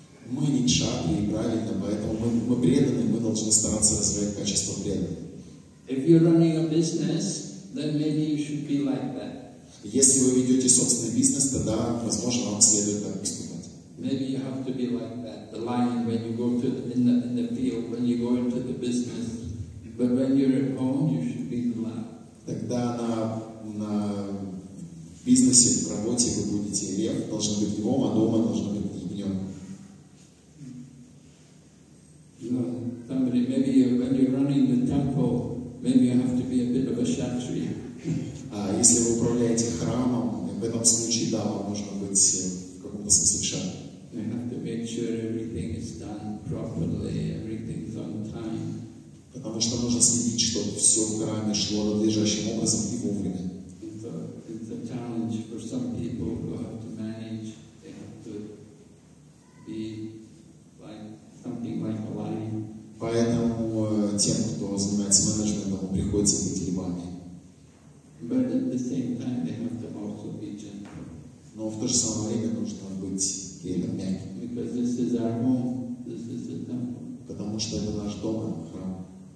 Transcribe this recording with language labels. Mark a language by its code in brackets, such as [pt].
[ru] Мы не кшатрии, правильно, поэтому мы преданы, мы должны стараться развивать качество преданных. [en] If you're running a business, then maybe you should be like that. [ru] Если вы ведете собственный бизнес, тогда, возможно, вам следует так поступать. [en] Maybe you have to be like that, the lion when you go to in the field, when you go into the business. But when you're at home, you should be the lamb. [ru] Тогда на бизнесе, в работе вы будете лев, должен быть львом, а дома должно быть ягнём. [en] Somebody, maybe when you're running the temple, maybe you have to be a bit of a kshatriya. [ru] Если вы управляете храмом, в этом случае, да, вам нужно быть в каком-то смысле кшатрием. [en] You have to make sure everything is done properly, everything is on time. [ru] Потому что нужно следить, чтобы все в храме шло надлежащим образом и вовремя. [en] It's a challenge for some people who have to manage, they have to be like something like a lion. [ru] Поэтому тем, кто занимается менеджментом, приходится быть львами. [en] But at the same time, they have to also be gentle. [ru] Но в то же самое время нужно быть гелем мягким. [en] Because this is our home, this is the temple. [ru] Потому что это наш дом, храм.